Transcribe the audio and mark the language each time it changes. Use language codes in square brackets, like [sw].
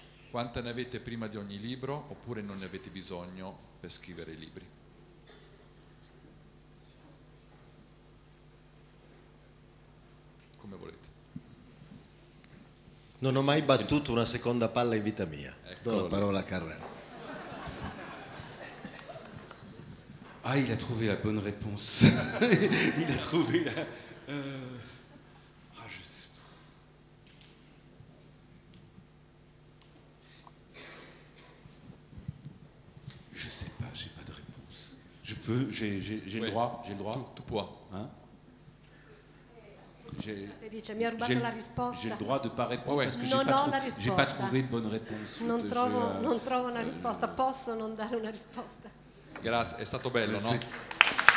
[it] Quanta ne avete prima di ogni libro, oppure non ne avete bisogno per scrivere i libri? Come volete. Non ho mai battuto una seconda palla in vita mia. Ecco, do la parola a Carrera. [fr] Ah, il a trouvé la bonne réponse. Il a trouvé la... Je sais pas, j'ai pas de réponse. Je peux, j'ai ouais. le droit. Tout poids. Hein? J'ai le droit de pas répondre parce que j'ai pas trouvé de bonne réponse. [it] Non trovo una risposta. Posso non dare una risposta. Grazie, è stato bello, no? Sì.